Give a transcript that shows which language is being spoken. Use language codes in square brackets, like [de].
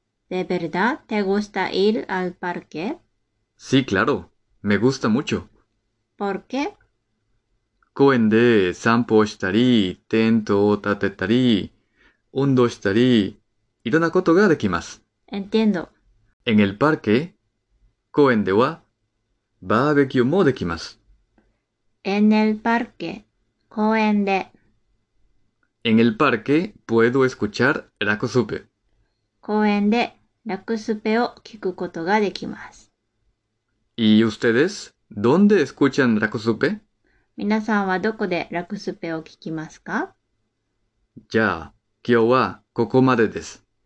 [es] ¿De verdad te gusta ir al parque? Sí, claro, me gusta mucho。 ¿Por qué? [ja] 公園で散歩をしたり、テントを立てたり、運動したり、いろんなことができます。 [es] Entiendo。 En el parque、 [ja] 公園では、バーベキューもできます。 [es] En el parque、 [ja] 公園で。 [es] En el parque、puedo escuchar ラクスペ。 [ja] 公園で、ラクスペを聞くことができます。 [es] ¿Y ustedes? ¿Dónde escuchan ラクスペ? [ja] 皆さんはどこでラクスペを聞きますか? じゃあ、今日はここまでです。